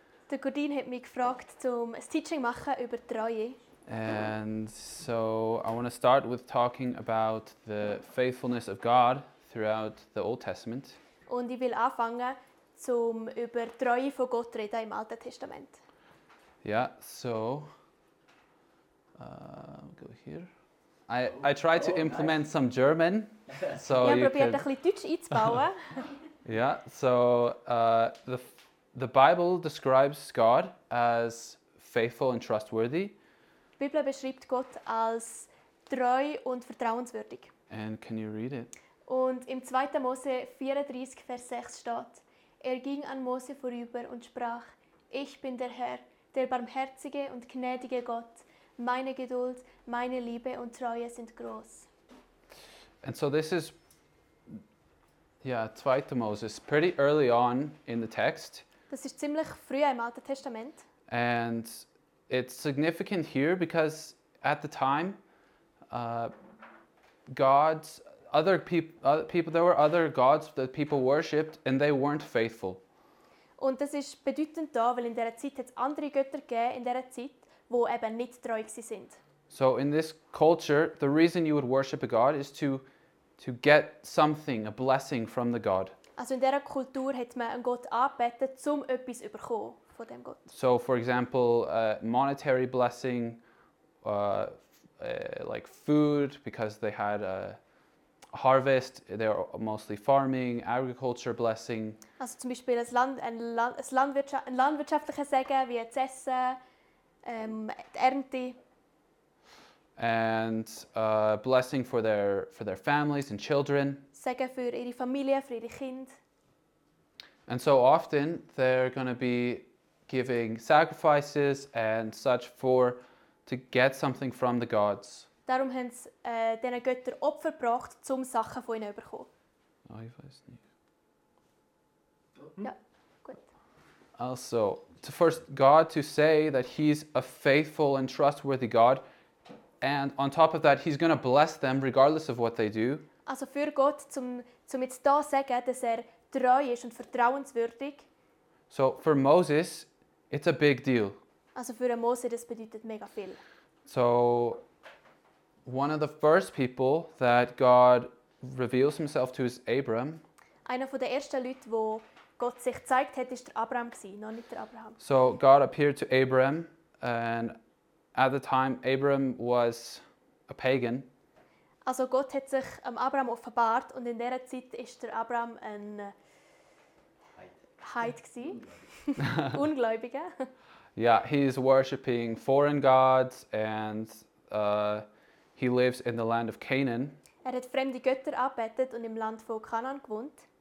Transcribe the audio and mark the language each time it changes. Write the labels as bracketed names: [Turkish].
[German] Der Cordine hat mich gefragt, zum ein Teaching machen über Treue. [English] And so I want to start with talking about the faithfulness of God throughout the Old Testament. [German] Und ich will anfangen, zum über Treue von Gott reden im Alten Testament. [English] Yeah, so go here. I try to implement some German, so you can. [German] Ich probiere ein bisschen Deutsch einzubauen. [English] Yeah, so the Bible describes God as faithful and trustworthy. [German] Die Bibel beschreibt Gott als treu und vertrauenswürdig. [English] And can you read it? [German] Und im 2. Mose 34, Vers 6 steht, er ging an Mose vorüber und sprach, ich bin der Herr, der barmherzige und gnädige Gott. Meine Geduld, meine Liebe und Treue sind groß. [English] And so this is, yeah, 2. Mose, pretty early on in the text. [German] Das ist ziemlich früh im Alten Testament. [English] And it's significant here because at the time, gods, other people, there were other gods that people worshipped and they weren't faithful. [German] Und das ist bedeutend da, weil in dieser Zeit hat es andere Götter gegeben, in dieser Zeit, wo eben nicht treu gsi sind. [English] So in this culture, the reason you would worship a god is to get something, a blessing from the god. [German] Also in dieser Kultur hat man einen Gott anbetet, um etwas zu bekommen. [English] So, for example, monetary blessing, like food, because they had a harvest. They're mostly farming, agriculture blessing. [German] Also, zum Beispiel, ein landwirtschaftlicher Segen wie das Essen, die Ernte. [English] And blessing for their families and children. [German] Segen für ihre Familie, für ihre Kinder. [English] And so often they're going to be giving sacrifices and such for to get something from the gods. [German] Darum haben sie diesen Göttern Opfer gebracht, um Sachen von ihnen zu bekommen. Oh, ich weiß nicht. Ja, gut. [English] Also, to first God to say that he's a faithful and trustworthy God, and on top of that, he's going to bless them regardless of what they do. [German] Also für Gott, zum jetzt da sagen, dass er treu ist und vertrauenswürdig. [English] So for Moses, it's a big deal. [German] Also für Mose, das bedeutet mega viel. [English] So one of the first people that God reveals himself to is Abram. [German] Einer von den ersten Leuten, wo Gott sich gezeigt hat, ist der Abraham gewesen, noch nicht der Abraham. [English] So God appeared to Abram, and at the time Abram was a pagan. [German] Also Gott hat sich Abraham offenbart und in dieser Zeit ist der Abraham ein Heid gsi, Ungläubige. [English] Yeah, he is worshipping foreign gods and he lives in the land of Canaan. [German] Er hat fremde Götter anbetet und im Land von Canaan gewohnt.